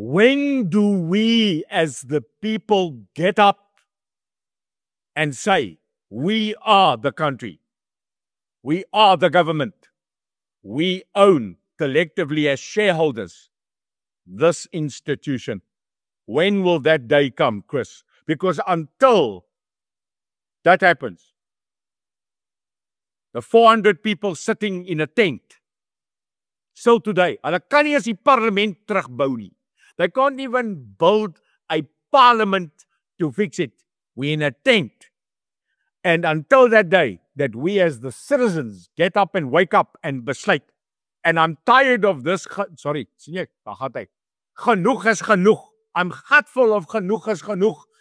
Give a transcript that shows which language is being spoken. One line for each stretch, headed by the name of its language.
English: When do we as the people get up and say, we are the country, we are the government, we own collectively as shareholders this institution? When will that day come, Chris? Because until that happens, the 400 people sitting in a tent still today.
Afrikaans: Hulle kan nie eens die parlement terugbou nie.
English: They can't even build a parliament to fix it. We're in a tent. And until that day that we as the citizens get up and wake up and besluit, and I'm tired of this, sorry,
Afrikaans: sien ek, daar gaat hy. Genoeg is genoeg.
English: I'm gutful of
Afrikaans: genoeg is genoeg.